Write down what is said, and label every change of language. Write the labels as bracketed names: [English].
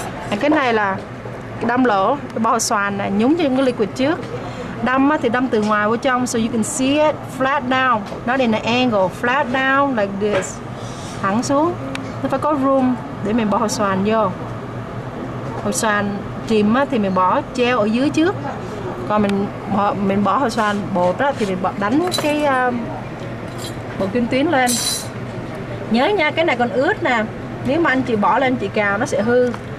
[Vietnamese] And cái này là đâm lỗ, cái bao xoàn này, nhúng cho cái liquid trước. Đâm thì đâm từ ngoài vô trong, [English] so you can see it flat down. Not in an angle, flat down like this. [Vietnamese] Thẳng xuống. Nó phải có room để mình bao xoàn vô. Bao xoàn chìm thì mình bỏ treo ở dưới trước. Còn mình bỏ bao xoàn bột đó, thì mình đánh cái... bộ kim tuyến lên. Nhớ nha, cái này còn ướt nè. Nếu mà anh chị bỏ lên chị cào nó sẽ hư.